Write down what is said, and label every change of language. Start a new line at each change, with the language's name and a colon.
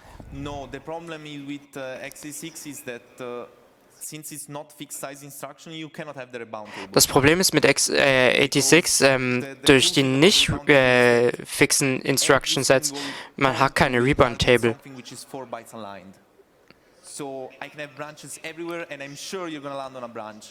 English: No, the problem with x86 is that since it's not fixed size instruction, you cannot have the rebound table.
German: Das Problem ist mit x86, durch die nicht fixen Instruction Sets, man hat keine rebound table.
English: Which is 4 bytes aligned. So I can have branches everywhere and I'm sure you're gonna land on a branch.